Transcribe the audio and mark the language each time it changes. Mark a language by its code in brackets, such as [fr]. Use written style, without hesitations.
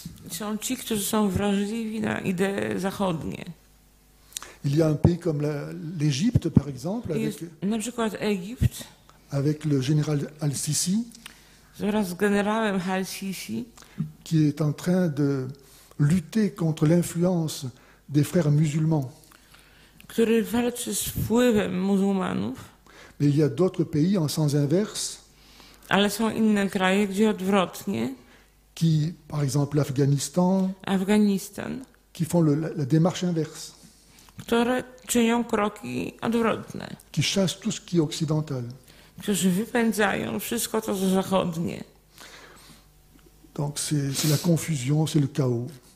[pl] Są ci, którzy są wrażliwi na idee zachodnie. [fr] Il y a un pays comme l'Égypte, par exemple, [pl] na przykład Egipt. [fr] Avec le général Al-Sisi, [pl] wraz z generałem Al-Sisi, [fr] qui est en train de lutter contre l'influence des frères musulmans, [pl] który walczy z wpływem muzułmanów, [fr] mais il y a d'autres pays en sens inverse, [pl] ale są inne kraje, gdzie odwrotnie, [fr] qui, par exemple, Afganistan, qui font la démarche inverse, [pl] które czynią kroki odwrotne, [fr] qui chassent tout ce qui est occidental. [pl] Którzy wypędzają wszystko to, co zachodnie. [fr] Donc c'est la confusion, c'est le chaos.